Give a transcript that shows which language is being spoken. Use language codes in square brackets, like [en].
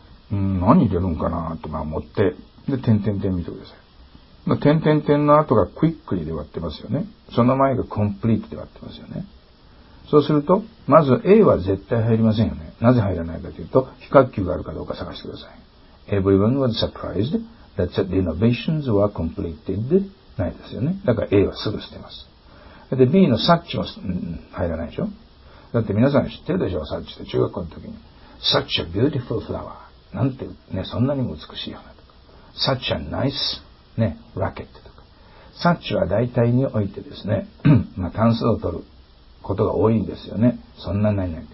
[ja] 何出るんかなと、まあ、思って、で、点々点見てください。点点点の後がクイックリで割ってますよね。その前がコンプリートで割ってますよね。そうすると、まず A は絶対入りませんよね。なぜ入らないかというと、非核球があるかどうか探してください。 [en] Everyone was surprised that the renovations were completed [ja] ないですよね。だから A はすぐ捨てます。で、B のサッチも、入らないでしょ。だって皆さん知ってるでしょ、サッチって。中学校の時に。 [en] Such a beautiful flower. [ja] なんて、ね、そんなにも美しい花とか。 [en] Such a nice. [ja] ね、ラケットとか。サッチは大体においてですね、まあ、単数を取ることが多いんですよね。そんなないない。